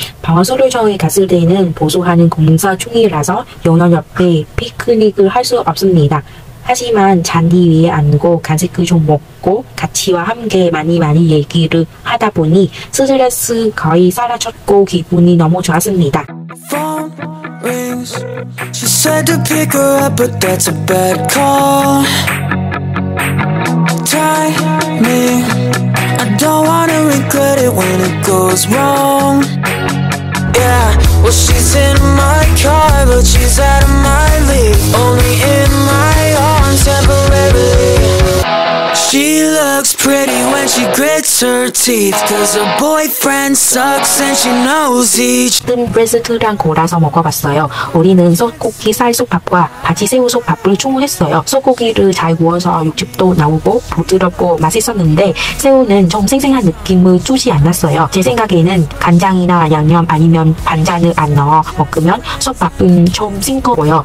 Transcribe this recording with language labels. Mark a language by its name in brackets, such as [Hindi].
[Korean] 방화수류정에 갔을 때는 보수하는 공사 중이라서 영원 옆에 피크닉을 할 수 없습니다. 하지만 잔디 위에 앉고 간식을 좀 먹고 같이와 함께 많이 많이 얘기를 하다 보니 스트레스 거의 사라졌고 기분이 너무 좋았습니다. [English] She said to pick her up, but that's a bad call. Timing, I don't wanna regret it when it goes wrong. Yeah, well she's in my car, but she's out of my league. Only in my arms temporarily. She looks pretty when she grits her teeth. Cause her boyfriend sucks and she knows each. [Korean] 뜬 브레스트랑 골라서 먹어봤어요. 우리는 소고기 쌀솥밥과 바지새우솥밥을 주문했어요. 소고기를 잘 구워서 육즙도 나오고 부드럽고 맛있었는데 새우는 좀 생생한 느낌을 주지 않았어요. 제 생각에는 간장이나 양념 아니면 반찬을 안 넣어 먹으면 솥밥은 좀 싱거워요.